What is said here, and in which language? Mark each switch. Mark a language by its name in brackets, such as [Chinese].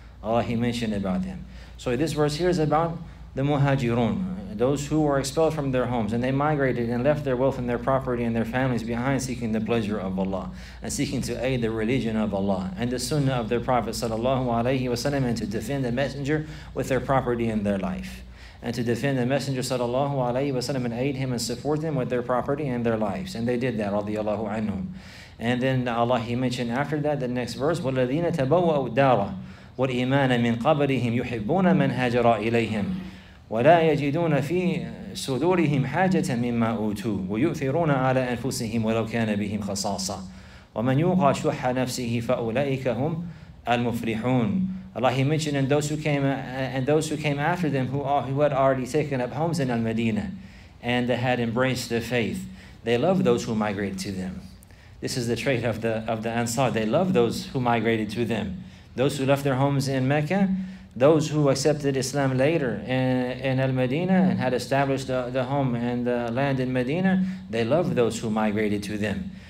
[English] Allah, He mentioned about them. So this verse here is about the muhajirun, those who were expelled from their homes and they migrated and left their wealth and their property and their families behind seeking the pleasure of Allah and seeking to aid the religion of Allah and the sunnah of their Prophet sallallahu alayhi wa sallam, and to defend the Messenger with their property and their life. And to defend the Messenger sallallahu alayhi wa sallam and aid him and support them with their property and their lives. And they did that, radiyallahu anhum. And then Allah, He mentioned after that, the next verse, [Arabic] وَالَّذِينَ تَبَوَّأُوا الدَّارَ وَالْإِيمَانَ مِنْ قَبْلِهِمْ يُحِبُّونَ مَنْ هَاجَرَ إِلَيْهِمْ وَلَا يَجِدُونَ فِي صُدُورِهِمْ حَاجَةً مِمَّا أُوتُوا وَيُؤْثِرُونَ عَلَى أَنفُسِهِمْ وَلَوْ كَانَ بِهِمْ خَصَاصَةً وَمَنْ يُوقَ شُحَّ نَفْسِهِ فَأُولَئِكَ هُمْ الْمُفْلِحُونَ. [English] Allah, He mentioned, and those who came after them who had already taken up homes in Al-Madinah and they had embraced the faith, they loved those who migrated to them. This is the trait of the Ansar. They loved those who migrated to them. Those who left their homes in Mecca, those who accepted Islam later in Al-Madinah and had established the home and the land in Medina, they loved those who migrated to them.